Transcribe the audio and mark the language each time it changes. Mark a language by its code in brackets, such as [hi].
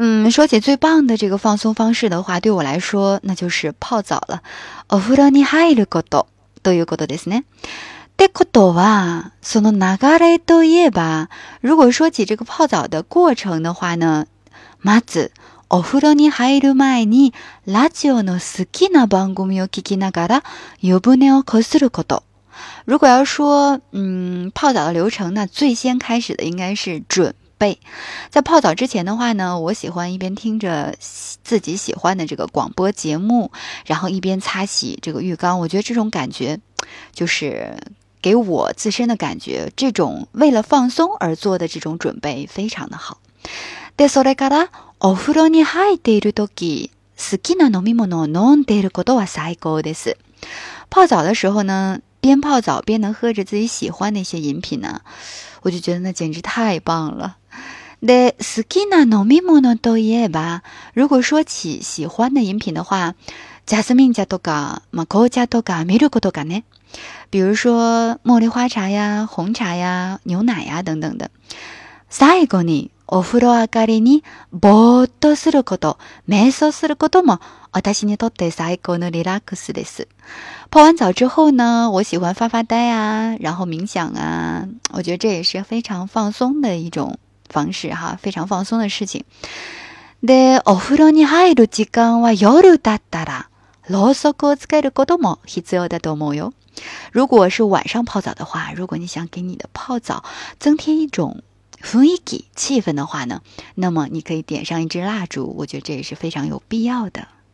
[zh] 说起最棒的这个放松方式的话，对我来说那就是泡澡了。 [ja] お風呂に入ることということですね。ってことは、その流れといえば、 [zh] 如果说起这个泡澡的过程的话呢、 [ja] まずお風呂に入る前にラジオの好きな番組を聞きながら湯船をこすること。 [zh] 如果要说泡澡的流程，那最先开始的应该是准备。在泡澡之前的话呢，我喜欢一边听着自己喜欢的这个广播节目，然后一边擦洗这个浴缸。我觉得这种感觉，就是给我自身的感觉，这种为了放松而做的这种准备非常的好。 [ja] でそれからお風呂に入っている時、好きな飲み物を飲んでいることは最高です。 [zh] 泡澡的时候呢，边泡澡边能喝着自己喜欢的一些饮品呢，我就觉得那简直太棒了。 [ja] で、好きな飲み物といえば、 [zh] 如果说起喜欢的饮品的话， [ja] ジャスミン茶とか、まあ、紅茶とか、ミルクとかね， [zh] 比如说茉莉花茶呀、红茶呀、牛奶呀等等的。 [ja] 最後にお風呂上がりにぼーっとすること、瞑想することも私にとって最高のリラックスです。 [zh] 泡完澡之后呢，我喜欢发发呆啊，然后冥想啊，我觉得这也是非常放松的一种方式哈，非常放松的事情。 [ja] で、お風呂に入る時間は夜だったら、ろうそくをつけることも必要だと思うよ。 [zh] 如果是晚上泡澡的话，如果你想给你的泡澡增添一种氛围气氛的话呢，那么你可以点上一支蜡烛，我觉得这也是非常有必要的。